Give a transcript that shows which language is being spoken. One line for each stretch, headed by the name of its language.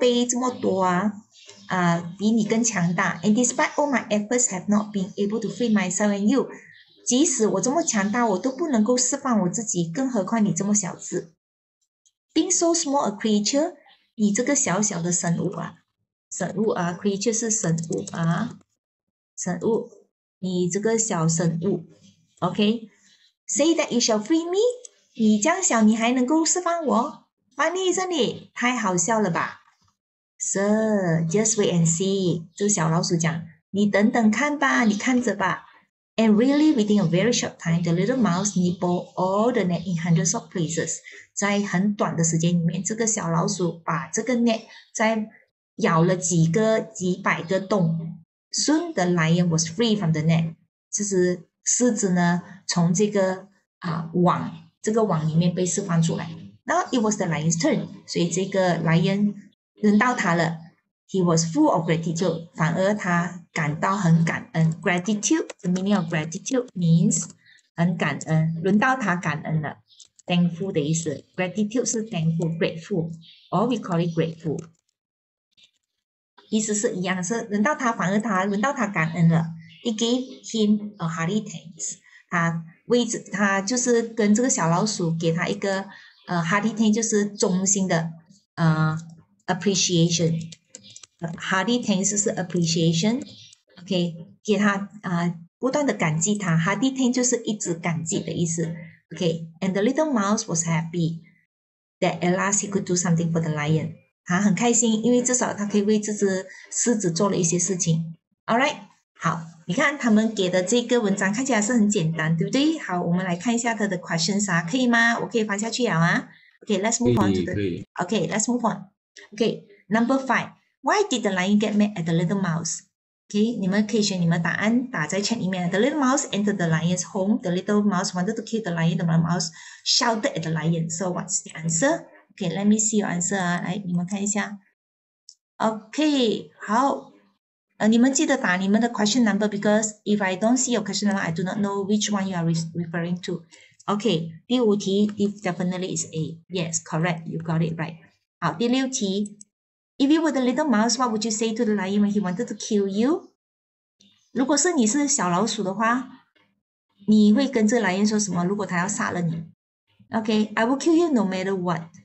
Chinese: 我至少我有1,000倍这么多啊，比你更强大。
English: And despite all my efforts have not been able to free myself and you.
Chinese: 即使我这么强大, 我都不能够释放我自己, 更何况你这么小只。
English: Being so small a creature,
Chinese: 你这个小小的生物啊, 生物啊, creature是生物啊, 生物, 你这个小生物, okay?
English: Say that you shall free me?
Chinese: 你这样小你还能够释放我?
English: Funny, isn't it?
Chinese: 太好笑了吧?
English: Sir, just wait and see.
Chinese: 这小老鼠讲,你等等看吧,你看着吧。
English: And really, within a very short time, the little mouse nibbled all the net in hundreds of places.
Chinese: 在很短的时间里面, 这个小老鼠把这个 net 在咬了几个,几百个洞。
English: Soon the lion was free from the net.
Chinese: 就是狮子呢, 从这个 网, 这个网里面被释放出来。
English: Now it was the lion's turn.
Chinese: 所以这个 lion 轮到他了。
English: He was full of gratitude.
Chinese: 反而他感到很感恩。
English: Gratitude, the meaning of gratitude means
Chinese: 很感恩。轮到他感恩了。Thankful的意思。Gratitude 是
English: thankful, grateful. Or we call it grateful.
Chinese: 意思是一样, 是轮到他, 反而他轮到他感恩了。
English: He gave him a hearty thanks.
Chinese: 为他就是跟这个小老鼠给他一个 Hardy Tang 就是衷心的 appreciation. Hardy Tang 是 appreciation. OK, 给他 不断的感激他. Hardy Tang 就是一直感激的意思.
English: OK, and the little mouse was happy that at last he could do something for the lion.
Chinese: 他很开心，因为至少他可以为这只狮子做了一些事情. Alright, 好。你看他们给的这个文章看起来是很简单，对不对？好，我们来看一下他的 questions 啊，可以吗？我可以翻下去了啊。
English: Okay, let's move on to the. Okay, let's move on. Okay, number five. Why did the lion get mad at the little mouse? Okay,
Chinese: 你们可以选你们答案，打在 chat 里面。
English: The little mouse entered the lion's home. The little mouse wanted to kill the lion. The little mouse shouted at the lion. So what's the answer? Okay, let me see your answer
Chinese: 啊，来，你们看一下。
English: Okay, 好。
Chinese: 你们记得打你们的
English: question number, because if I don't see your question number, I do not know which one you are referring to. Okay, 第五题, definitely is A. Yes, correct. You got it right. 好, 第六题, if you were the little mouse, what would you say to the lion when he wanted to kill you?
Chinese: 如果是你是小老鼠的话, 你会跟这个lion说什么, 如果他要杀了你?
English: Okay, I will kill you no matter what.